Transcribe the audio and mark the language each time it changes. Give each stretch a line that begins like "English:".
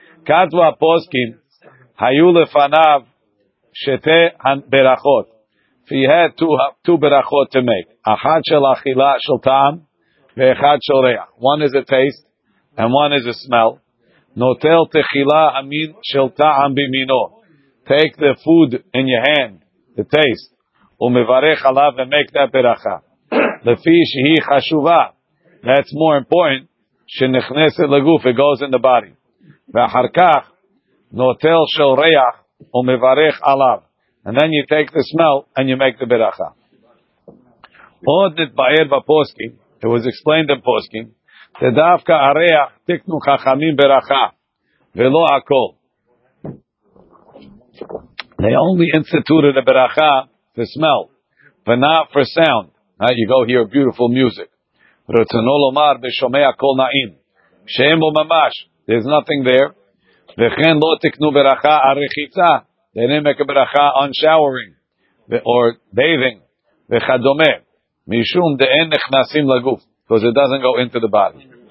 Hebrew: Kadwa poskim, hayu lefanav, שתי ברכות.
English: If you had two ברכות to make.
Hebrew: אחת של אכילה של טעם ואחת של ריח.
English: One is a taste and one is a smell.
Hebrew: נוטל תחילה המין של טעם במינו.
English: Take the food in your hand, the taste,
Hebrew: ומברך עליו
English: and make that ברכה.
Hebrew: לפי שהיא חשובה.
English: That's more important.
Hebrew: שנכנסת לגוף,
English: it goes in the body.
Hebrew: ואחר כך נוטל של ריח ומברך עליו.
English: And then you take the smell and you make the ברכה.
Hebrew: עוד נתבאר בפוסקים,
English: it was explained in פוסקים,
Hebrew: שדווקא הריח תקנו חכמים ברכה, ולא הכל.
English: They only instituted a ברכה for smell, but not for sound. Now you go hear beautiful music.
Hebrew: רצונו לומר בשומע קול נעים, שאין בו ממש,
English: there's nothing there,
Hebrew: וכן לא תקנו ברכה הרחיצה,
English: they didn't make a ברכה on showering, or bathing,
Hebrew: וכדומה, משום דאין נכנסים לגוף,
English: because it doesn't go into the body.